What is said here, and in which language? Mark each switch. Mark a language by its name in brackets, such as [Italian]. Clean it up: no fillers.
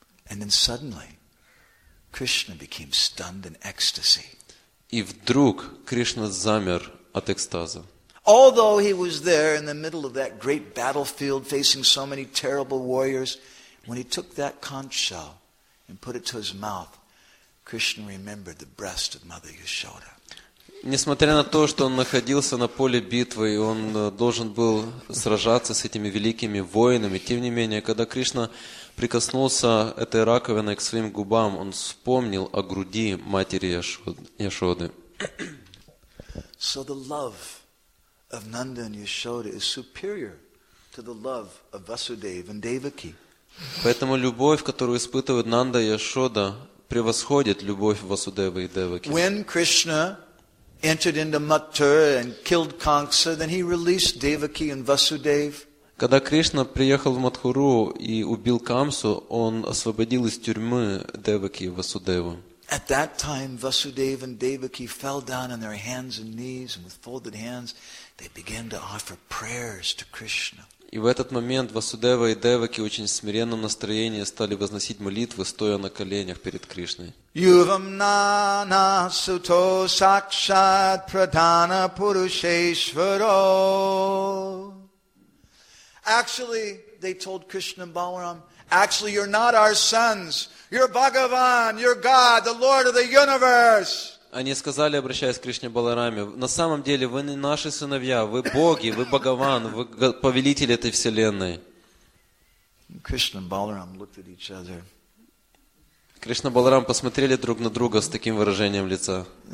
[English] And then suddenly, Krishna became stunned in ecstasy. [Russian] И вдруг Кришна замер от экстаза. [English] Although he was there in the middle of that great battlefield facing so many terrible warriors, when he took that conch shell and put it to his mouth, Krishna remembered the breast of Mother Yashoda. [Russian] Несмотря на то, что он находился на поле битвы, и он должен был сражаться с этими великими воинами, тем не менее, когда Кришна прикоснулся этой раковиной к своим губам, он вспомнил о груди матери Яшоды. [English] So the love of Nanda and Yashoda is superior to the love of Vasudeva and Devaki. [Russian] Поэтому любовь, которую испытывают Нанда и Яшода, превосходит любовь Васудевы и Деваки. [English] When Krishna entered into Mathura and killed Kamsa, then he released Devaki and Vasudeva. [Russian] Когда Кришна приехал в Матхуру и убил Камсу, он освободил из тюрьмы Деваки и Васудеву. [English] At that time, Vasudeva and Devaki fell down on their hands and knees, and with folded hands, they began to offer prayers to Krishna. [Russian] И в этот момент Васудева и Деваки очень в смиренном настроении стали возносить молитвы, стоя на коленях перед Кришной. [Sanskrit] Yuvam nana suto sakshat pradhana purusheshvaro. [English] Actually, they told Krishna and Balaram, actually, you're not our sons. You're Bhagavan, you're God, the Lord of the universe. [Russian] Они сказали, обращаясь к Кришне Балараме, на самом деле вы не наши сыновья, вы боги, вы Бхагаван, вы повелитель этой вселенной. Кришна и Баларам посмотрели друг на друга с таким выражением лица.